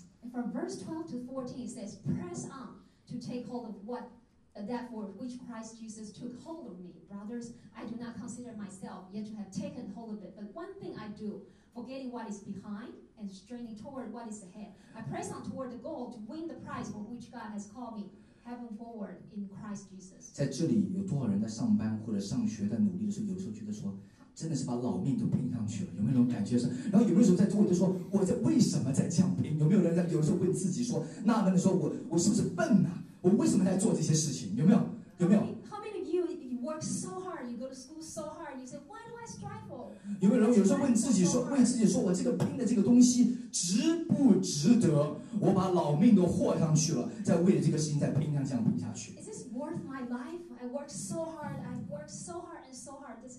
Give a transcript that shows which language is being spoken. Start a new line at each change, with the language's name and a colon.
English: And from verse 12 to 14 says, "Press on to take hold of that for which Christ Jesus took hold of me. Brothers, I do not consider myself yet to have taken hold of it, but one thing I do, forgetting what is behind and straining toward what is ahead. I press on toward the goal to win the prize for which God has called me, heaven forward in Christ Jesus."
Chinese: 在这里有多少人在上班或者上学在努力的时候，有时候觉得说真的是把老命都拼上去了，有没有那种感觉？然后有没有时候在座位就说我在为什么在这样拼？有没有人在有时候问自己说纳闷的说我是不是笨啊？我为什么在做这些事情？有没有？有没有？
English: How many of you work so hard? You go to school so hard. You say, why do I strive for?
Chinese: 有没有人有时候问自己说，问自己说，我这个拼的这个东西值不值得？我把老命都豁上去了，在为了这个事情在拼，这样拼下去。
English: Is this worth my life? I work so hard. I work so hard and so hard.